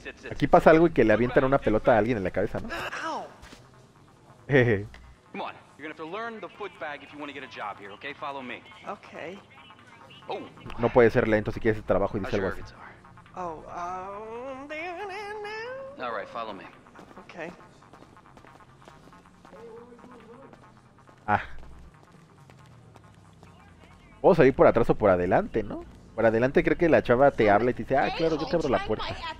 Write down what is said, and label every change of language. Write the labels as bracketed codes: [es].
[es] Aquí pasa algo y que le avientan una pelota a alguien en la cabeza, ¿no? [en] Come on, you're gonna have to learn the footbag if you want to get a job here, okay? Follow me. Okay. [es] No puede ser lento si quieres el trabajo y dice algo así. [en] All right, follow me. Okay. Ah. [es] Puedo salir por atrás o por adelante, ¿no? Por adelante creo que la chava te habla y te dice, ah, claro, yo te abro la puerta.